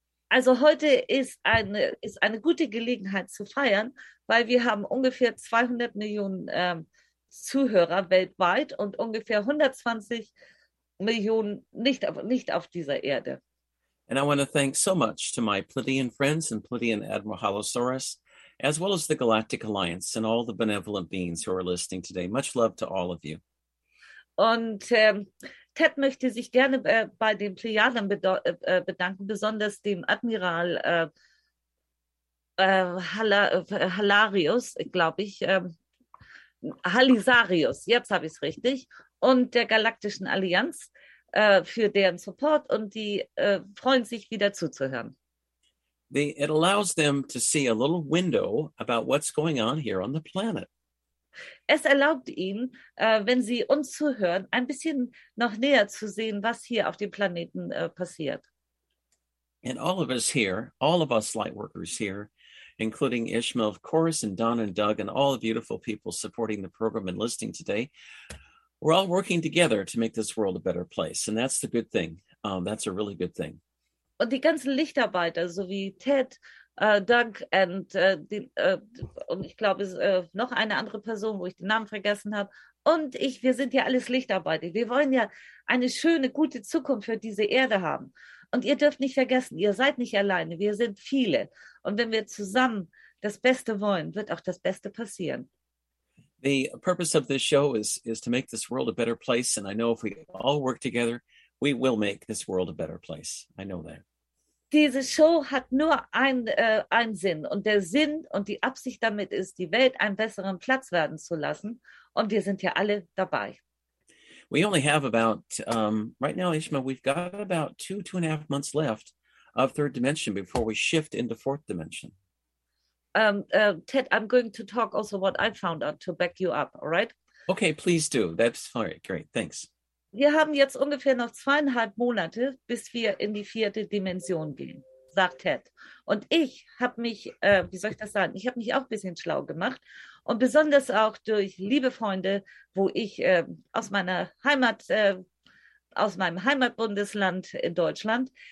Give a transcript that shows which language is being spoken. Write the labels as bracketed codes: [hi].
[de] Also heute ist eine gute Gelegenheit zu feiern, weil wir haben ungefähr 200 Millionen Zuhörer weltweit und ungefähr 120 Millionen nicht auf dieser Erde. [en] And I want to thank so much to my Pleiadian friends and Pleiadian Admiral Halosaurus, as well as the Galactic Alliance and all the benevolent beings who are listening today. Much love to all of you. [de] Und Ted möchte sich gerne bei den Plejaden bedanken, besonders dem Admiral Halisarius, jetzt habe ich es richtig, und der Galaktischen Allianz für deren Support, und die freuen sich, wieder zuzuhören. [en] It allows them to see a little window about what's going on here on the planet. [de] Es erlaubt ihnen, wenn sie uns zuhören, ein bisschen noch näher zu sehen, was hier auf dem Planeten passiert. [en] And all of us here, all of us lightworkers here, including Ishma, of course, and Don and Doug, and all the beautiful people supporting the program and listening today, we're all working together to make this world a better place. And that's the good thing. That's a really good thing. [de] Und die ganzen Lichtarbeiter, so wie Ted, Doug and und ich glaube, es ist noch eine andere Person, wo ich den Namen vergessen habe. Und ich, wir sind ja alles Lichtarbeiter. Wir wollen ja eine schöne, gute Zukunft für diese Erde haben. Und ihr dürft nicht vergessen, ihr seid nicht alleine. Wir sind viele. Und wenn wir zusammen das Beste wollen, wird auch das Beste passieren. [en] The purpose of this show is to make this world a better place. And I know if we all work together, we will make this world a better place. I know that. [de] Diese Show hat nur einen Sinn, und der Sinn und die Absicht damit ist, die Welt einen besseren Platz werden zu lassen, und wir sind ja alle dabei. [en] We only have about, right now, Ishma, we've got about two and a half months left of third dimension before we shift into fourth dimension. Ted, I'm going to talk also what I found out to back you up, all right? Okay, please do. That's all right. Great, thanks. [de] Wir haben jetzt ungefähr noch 2,5 Monate, bis wir in die vierte Dimension gehen. gesagt hat. Und ich habe mich, wie soll ich das sagen, ich habe mich auch ein bisschen schlau gemacht. Und besonders auch durch liebe Freunde, wo ich aus meiner Heimat, aus meinem Heimatbundesland in Deutschland.